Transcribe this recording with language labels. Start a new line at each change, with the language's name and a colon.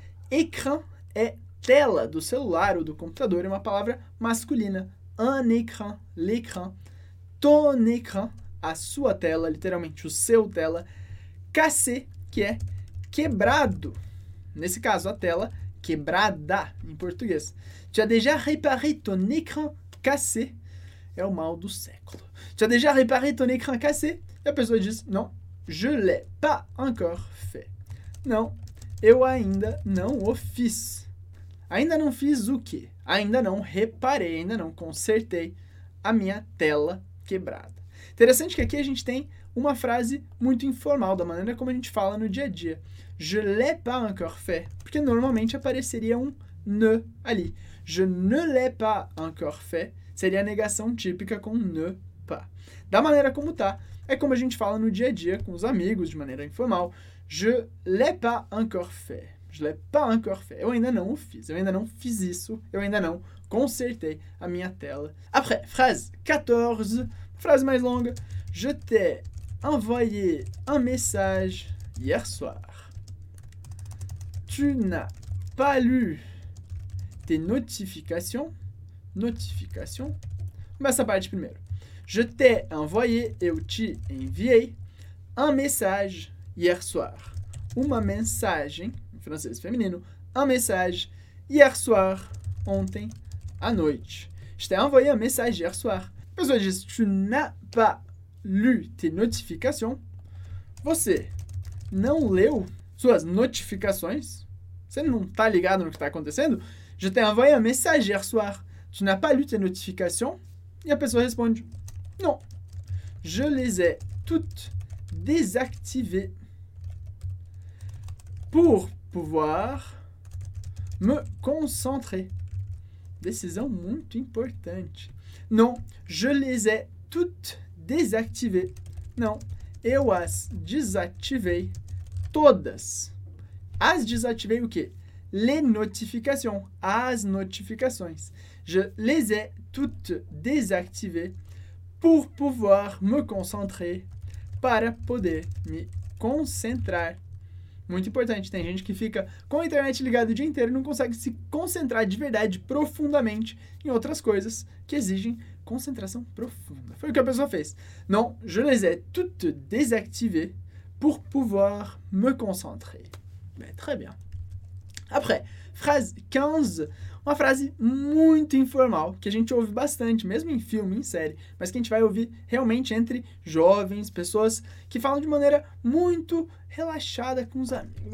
Portuguese: Écran é tela do celular ou do computador, é uma palavra masculina.
French: Un écran, l'écran. Ton écran,
Portuguese: a sua tela, literalmente o seu tela. Cassé, que é quebrado. Nesse caso, a tela quebrada em português.
French: Tu as déjà réparé ton écran cassé?
Portuguese: É o mal do século.
French: Tu as déjà réparé ton écran cassé?
Portuguese: E a pessoa diz:
French: Non, je l'ai pas encore fait.
Portuguese: Não, eu ainda não o fiz. Ainda não fiz o quê? Ainda não reparei, ainda não consertei a minha tela quebrada. Interessante que aqui a gente tem uma frase muito informal, da maneira como a gente fala no dia a dia.
French: Je l'ai pas encore fait.
Portuguese: Porque normalmente apareceria um ne ali.
French: Je ne l'ai pas encore fait
Portuguese: seria a negação típica com
French: ne pas.
Portuguese: Da maneira como tá, é como a gente fala no dia a dia com os amigos, de maneira informal.
French: Je l'ai pas encore fait. Je l'ai pas encore fait.
Portuguese: Eu ainda não o fiz. Eu ainda não fiz isso. Eu ainda não consertei a minha tela.
French: Après, phrase 14. Phrase mais longue. Je t'ai envoyé un message hier soir. Tu n'as pas lu tes notifications. Notifications.
Portuguese: Essa parte primeiro.
French: Je t'ai envoyé,
Portuguese: eu te enviei
French: un message hier soir.
Portuguese: Uma mensagem, em francês feminino,
French: un message hier soir,
Portuguese: ontem à noite.
French: Je t'ai envoyé un message hier soir.
Portuguese: A pessoa diz:
French: Tu n'as pas lu tes notifications.
Portuguese: Você não leu suas notificações? Você não tá ligado no que tá acontecendo?
French: Je t'ai envoyé un message hier soir. Tu n'as pas lu tes notifications?
Portuguese: E a pessoa responde:
French: Non. Je les ai toutes désactivées pour pouvoir me concentrer.
Portuguese: Décision muito importante.
French: Non, je les ai toutes désactivées.
Portuguese: Non, eu as désactivei todas. As désactivei o quê? Les notifications. As notifications.
French: Je les ai toutes désactivées pour pouvoir me concentrer.
Portuguese: Para poder me concentrar. Muito importante, tem gente que fica com a internet ligada o dia inteiro e não consegue se concentrar de verdade, profundamente, em outras coisas que exigem concentração profunda. Foi o que a pessoa fez.
French: Non, je les ai toutes désactivées pour pouvoir me concentrer. Mais, très bien. Après, phrase 15,
Portuguese: uma frase muito informal, que a gente ouve bastante, mesmo em filme, em série, mas que a gente vai ouvir realmente entre jovens, pessoas que falam de maneira muito relaxada com os amigos.